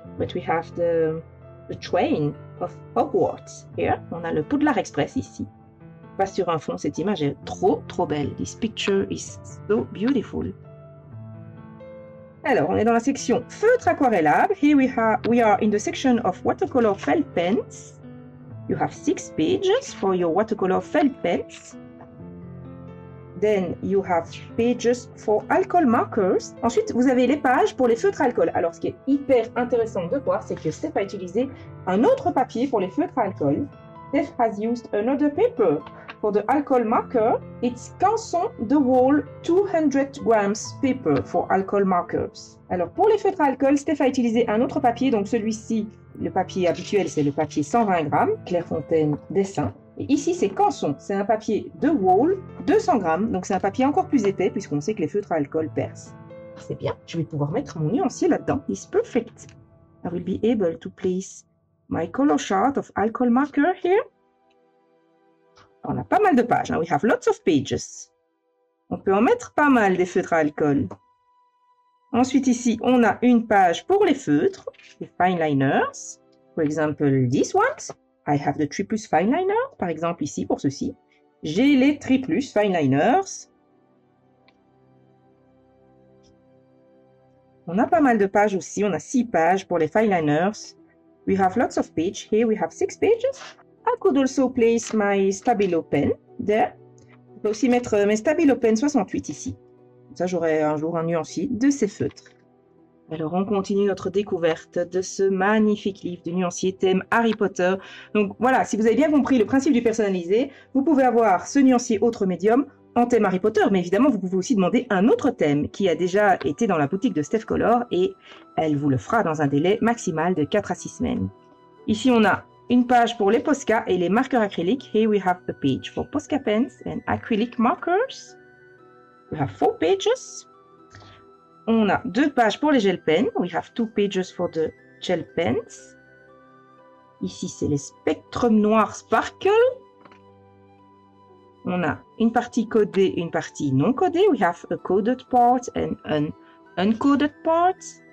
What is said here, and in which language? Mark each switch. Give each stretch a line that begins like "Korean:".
English: But we have the train of Hogwarts here.
French: On a le Poudlard Express ici. Pas sur un fond, cette image est trop trop belle.
English: This picture is so beautiful.
French: Alors, on est dans la section feutre aquarellable.
English: Here we are in the section of watercolor felt pens. You have 6 pages for your watercolor felt pens. Then you have pages for alcohol markers.
French: Ensuite, vous avez les pages pour les feutres à alcool. Alors, ce qui est hyper intéressant de voir, c'est que Steph a utilisé un autre papier pour les feutres à alcool.
English: Steph has used another paper. For the alcohol marker, it's Canson The Wall 200 grams paper for alcohol markers.
French: Alors, pour les feutres à alcool, Steph a utilisé un autre papier. Donc, celui-ci, le papier habituel, c'est le papier 120 grammes, Clairefontaine Dessin. Et ici, c'est Canson. C'est un papier The Wall 200 grammes. Donc, c'est un papier encore plus épais puisqu'on sait que les feutres à alcool percent. C'est bien. Je vais pouvoir mettre mon nuancier là-dedans.
English: It's perfect. I will be able to place my color chart of alcohol marker here.
French: On a pas mal de pages.
English: Hein. We have lots of pages.
French: On peut en mettre pas mal des feutres à alcool. Ensuite, ici, on a une page pour les feutres, les fine liners.
English: For example, this one. I have the triplus fine liner.
French: Par exemple, ici, pour ceci, j'ai les triplus fine liners. On a pas mal de pages aussi. On a 6 pages pour les fine liners.
English: We have lots of pages. Here we have 6 pages. I could also place my Stabilo Pen there.
French: Je peux aussi mettre mes Stabilo Pen 68 ici. Comme ça, j'aurai un jour un nuancier de ces feutres. Alors, on continue notre découverte de ce magnifique livre de nuancier thème Harry Potter. Donc voilà, si vous avez bien compris le principe du personnalisé, vous pouvez avoir ce nuancier autre médium en thème Harry Potter. Mais évidemment, vous pouvez aussi demander un autre thème qui a déjà été dans la boutique de Steph Color et elle vous le fera dans un délai maximal de 4 à 6 semaines. Ici, on a une page pour les Posca et les marqueurs acryliques.
English: Here we have a page for Posca pens and acrylic markers. We have 4 pages.
French: On a 2 pages pour les gel pens.
English: We have 2 pages for the gel pens.
French: Ici, c'est les
English: Spectrum Noir Sparkle.
French: On a une partie codée et une partie non codée.
English: We have a coded part and an uncoded part.